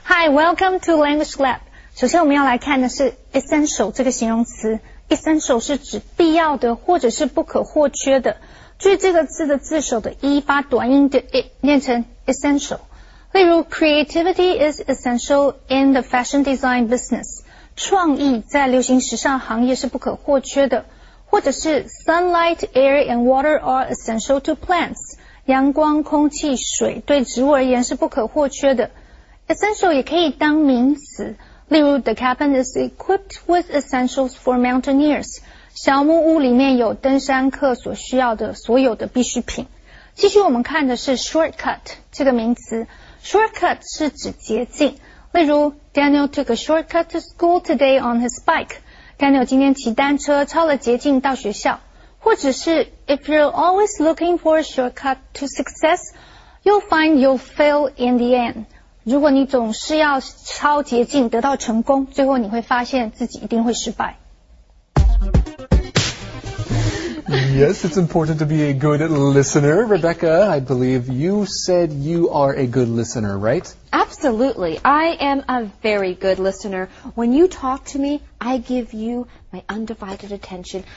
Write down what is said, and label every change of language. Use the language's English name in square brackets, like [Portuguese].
[English] Welcome to Language Lab. [Chinese] 首先我们要来看的是 essential 这个形容词。 essential 是指必要的或者是不可或缺的。注意这个字的字首的 e 发短音的 e 念成 essential。 [English] 例如 creativity is essential in the fashion design business. [Chinese] 创意在流行时尚行业是不可或缺的。 [English] 或者是 sunlight, air and water are essential to plants. [Chinese] 阳光、空气、水对植物而言是不可或缺的。 [English] Essential [Chinese] 也可以当名词，例如 [English] The cabin is equipped with essentials for mountaineers. [Chinese] 小木屋里面有登山客所需要的所有的必需品。继续我们看的是 shortcut 这个名词。Shortcut 是指捷径，例如 [English] Daniel took a shortcut to school today on his bike. Daniel [Chinese] 今天骑单车抄了捷径到学校。或者是 [English] If you're always looking for a shortcut to success, you'll find you'll fail in the end. [Chinese] 如果你总是要抄捷径得到成功，最后你会发现自己一定会失败。 [English] Yes, it's important to be a good listener. Rebecca, I believe you said you are a good listener, right? Absolutely. I am a very good listener. When you talk to me, I give you my undivided attention.